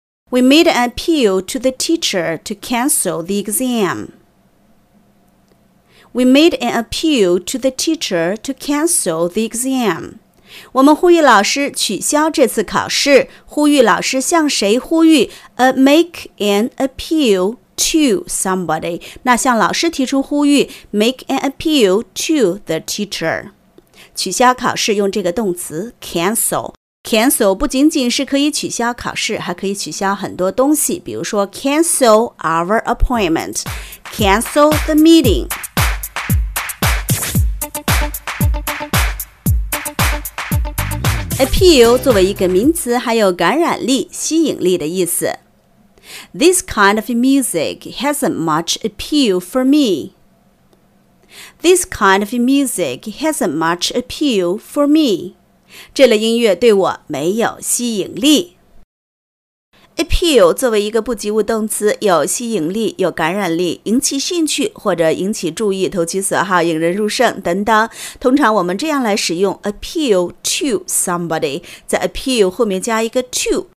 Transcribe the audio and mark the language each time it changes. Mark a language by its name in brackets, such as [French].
[English] We made an appeal to the teacher to cancel the exam. We made an appeal to the teacher to cancel the exam. [Chinese] 我们呼吁老师取消这次考试，呼吁老师向谁呼吁？ [English] Make an appeal to somebody， [Chinese] 那向老师提出呼吁， [English] make an appeal to the teacher。 [Chinese] 取消考试用这个动词 cancel。cancel 不仅仅是可以取消考试，还可以取消很多东西，比如说 [English] cancel our appointment， cancel the meeting。 [Chinese] appeal 作为一个名词，还有感染力、吸引力的意思。 [English] This kind of music hasn't much appeal for me. This kind of music hasn't much appeal for me. [Chinese] 这类音乐对我没有吸引力。Appeal 作为一个不及物动词，有吸引力、有感染力、引起兴趣或者引起注意、投其所好、引人入胜等等。通常我们这样来使用 [English] appeal to somebody， [Chinese] 在 appeal 后面加一个 to。